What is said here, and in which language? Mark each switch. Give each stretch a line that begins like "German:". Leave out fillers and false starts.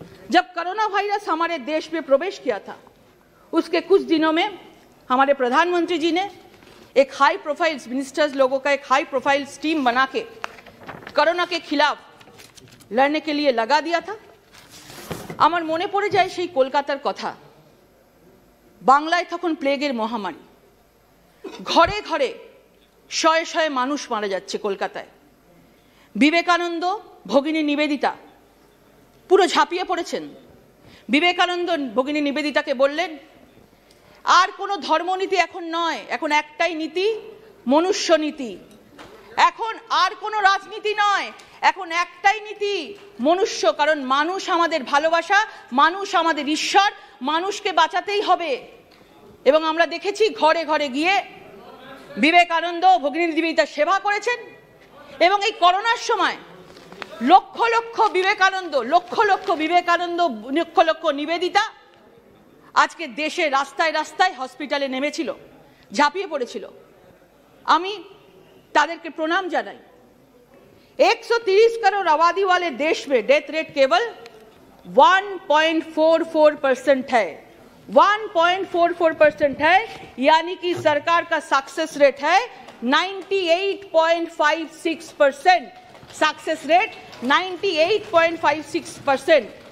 Hindi: जब corona virus हमारे देश में प्रवेश किया था, उसके कुछ दिनों में हमारे प्रधानमंत्री जी ने एक हाई प्रोफाइल मिनिस्टर्स लोगों का एक हाई प्रोफाइल टीम बना के कोरोना के खिलाफ लड़ने के लिए लगा दिया था।
Bangla: আমার মনে পড়ে যায় সেই কলকাতার কথা, বাংলায় তখন প্লেগের মহামারী, ঘরে ঘরে শয়ে শয়ে মানুষ মারা যাচ্ছে কলকাতায়। বিবেকানন্দ, ভগিনী নিবেদিতা পুরো ঝাঁপিয়ে পড়েছেন। বিবেকানন্দ ভগিনী নিবেদিতাকে বললেন, আর কোনো ধর্মনীতি এখন নয়, এখন একটাই নীতি, মনুষ্য নীতি। এখন আর কোনো রাজনীতি নয়, এখন একটাই নীতি, মনুষ্য। কারণ মানুষ আমাদের ভালোবাসা, মানুষ আমাদের ঈশ্বর, মানুষকে বাঁচাতেই হবে। এবং আমরা দেখেছি ঘরে ঘরে গিয়ে বিবেকানন্দ ভগিনী নিবেদিতা সেবা করেছেন। এবং এই করোনার সময় লক্ষ লক্ষ বিবেকানন্দ, লক্ষ লক্ষ বিবেকানন্দ, লক্ষ লক্ষ নিবেদিতা আজকে দেশে রাস্তায় রাস্তায় হসপিটালে নেমেছিল, ঝাঁপিয়ে পড়েছিল। আমি তাদেরকে প্রণাম জানাই।
Hindi: 130 करोड़ आबादी वाले देश में डेथ रेट केवल 1.44% है, 1.44% है, यानी कि सरकार का सक्सेस रेट है 98.56%, सक्सेस रेट 98.56%।